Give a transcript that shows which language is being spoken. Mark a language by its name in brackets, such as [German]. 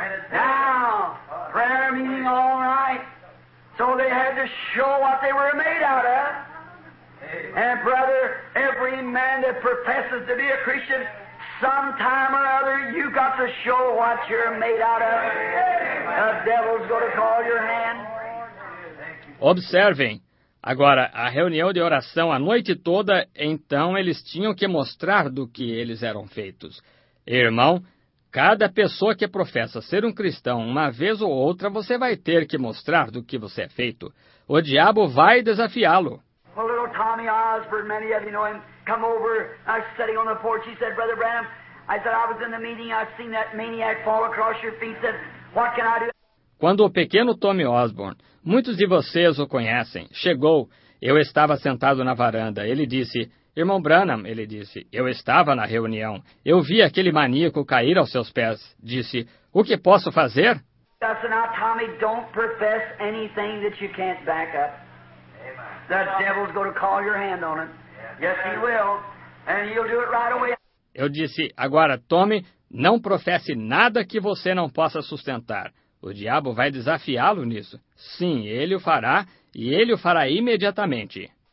[English] Now, prayer meeting all night. So they had to show what they were made out of. And brother, every man that professes to be a Christian, sometime or other, you got to show what you're made out of. The devil's going to call your hand. [Portuguese] Observem. Agora, a reunião de oração a noite toda, então eles tinham que mostrar do que eles eram feitos. Irmão, cada pessoa que professa ser um cristão, uma vez ou outra, você vai ter que mostrar do que você é feito. O diabo vai desafiá-lo. [English] O little Tommy Osborne, many of you know him, come over, I was sitting on the porch, he said, Brother Branham, I said, I was in the meeting, I've seen that maniac fall across your feet, said, what can I do? [Portuguese] Quando o pequeno Tommy Osborne, muitos de vocês o conhecem, chegou, eu estava sentado na varanda, ele disse, Irmão Branham, ele disse, eu estava na reunião. Eu vi aquele maníaco cair aos seus pés. Disse, o que posso fazer? Disse, [English] now, Tommy, don't profess anything that you can't back up. The devil's going to call your hand on it. Yes, he will. And he'll do it right away. [Portuguese] Eu disse, agora, Tommy, não professe nada que você não possa sustentar. O diabo vai desafiá-lo nisso. Sim, ele o fará, e ele o fará imediatamente.